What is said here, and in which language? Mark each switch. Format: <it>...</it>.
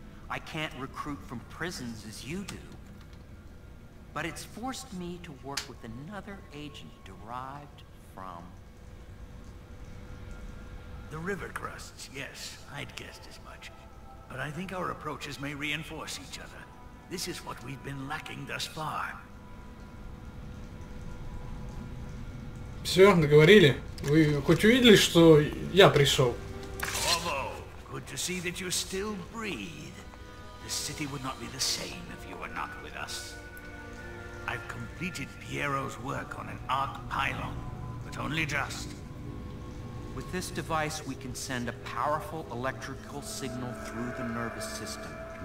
<en>I can't recruit from prisons as you do. But it's forced me to work with another agent derived from... The River Crusts, yes, I'd guessed as much. But I think our approaches may reinforce each other. This is what we've been lacking thus far.</en> <ru>Все, договорили? Вы хоть увидели, что я пришел?</ru> <en>Corvo, good to see that you still breathe. The city would not be the same if you were not with us. I've completed Piero's work on an arc pylon, but only just. With this device, we can send a powerful electrical signal through the nervous system to</en>